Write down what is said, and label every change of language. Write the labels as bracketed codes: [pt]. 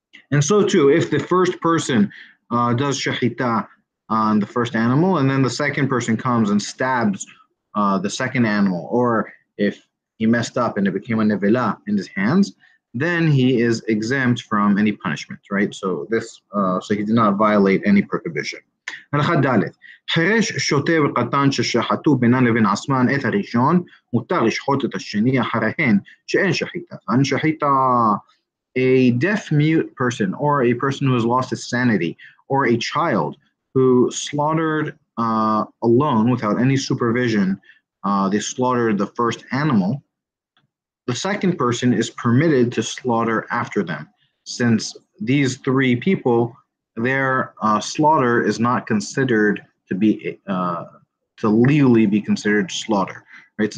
[en] And so too, if the first person does shahita on the first animal, and then the second person comes and stabs the second animal, or if he messed up and it became a nevela in his hands, then he is exempt from any punishment, right? So this, so he did not violate any prohibition. [he] הלכה ד', חרש שוטה וקטן ששחטו בינן לבין עצמן את הראשון, מותר לשחוט את השני אחריהן שאין שחיטה. אין שחיטה. [en] A deaf mute person, or a person who has lost his sanity, or a child who slaughtered alone without any supervision, they slaughtered the first animal, the second person is permitted to slaughter after them, since these three people, their slaughter is not considered to be to legally be considered slaughter, right?